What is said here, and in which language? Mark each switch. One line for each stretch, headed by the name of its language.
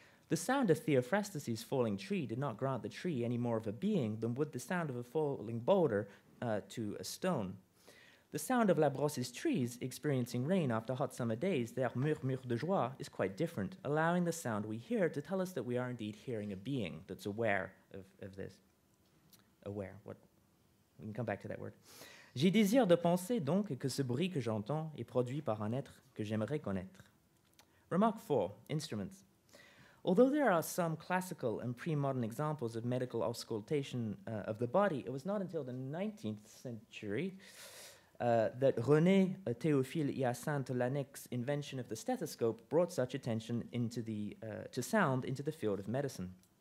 English: The sound of Theophrastus' falling tree did not grant the tree any more of a being than would the sound of a falling boulder to a stone. The sound of La Brosse's trees experiencing rain after hot summer days, their
French: murmure de joie,
English: is quite different, allowing the sound we hear to tell us that we are indeed hearing a being that's aware of this. Aware, what? We can come back to that word.
French: J'ai désir de penser donc que ce bruit que j'entends est produit par un être que j'aimerais connaître.
English: Remark 4, instruments. Although there are some classical and pre-modern examples of medical auscultation of the body, it was not until the 19th century that René Théophile Hyacinthe Laennec's invention of the stethoscope brought such attention into the to sound into the field of medicine.